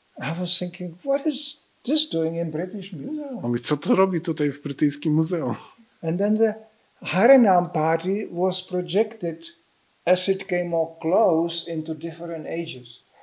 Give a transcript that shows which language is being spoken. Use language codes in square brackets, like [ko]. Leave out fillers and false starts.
[en] I was thinking, what is this doing in British Museum? [pl] On mówi, co to robi tutaj w brytyjskim muzeum? [en] And then the Harinam party was projected as it came more close into different ages.